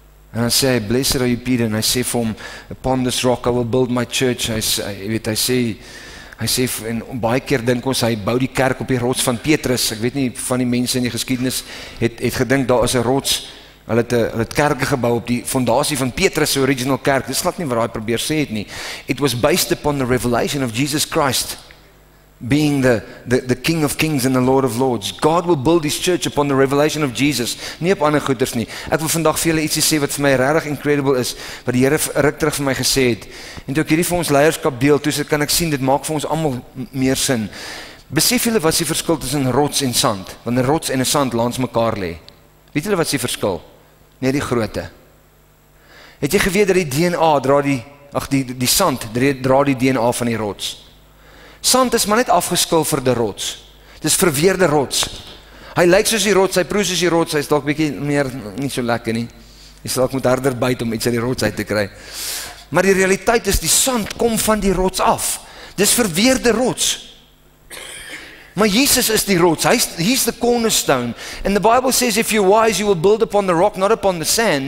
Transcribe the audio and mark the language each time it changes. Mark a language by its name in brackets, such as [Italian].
[Afrikaans] En dan sê hy, [English] blessed are you Peter, [Afrikaans] en hy sê vir hom, [English] upon this rock I will build my church, [Afrikaans] hy sê, en baie keer dink ons, hy bou die kerk op die rots van Petrus, ek weet nie, van die mense in die geskiedenis, het gedink, daar is een rots, hulle het kerke gebou op die fondasie van Petrus, die original kerk, dit slat nie wat hy probeer sê het nie, [English] it was based upon the revelation of Jesus Christ, being the King of Kings and the Lord of Lords. God will build his church upon the revelation of Jesus, [Afrikaans] nie op ander goeders nie. Ek wil vandag vir julle ietsie sê wat vir my regtig incredible is, wat die Here ruk terug vir my gesê het. En toe ek hierdie vir ons leierskap deel, toe sê, kan ek sien, dit maak vir ons allemaal meer sin. Besef julle wat die verskil tussen rots en sand, want een rots en een sand langs mekaar lê. Weet julle wat die verskil? Nee, die grootte. Het jy geweet dat die DNA dra die sand dra die DNA van die rots? Sand is maar net afgeskilverde rots. Het is verweerde rots. Hy lyk soos die rots, hy proe soos die rots, hy is dalk bietjie meer, nie so lekker nie. Hy sal ek moet harder byt om iets uit die rots uit te kry. Maar die realiteit is, die sand kom van die rots af. Het is verweerde rots. Maar Jesus is die rots, [English] he's the cornerstone. And the Bible says, if you're wise, you will build upon the rock, not upon the sand.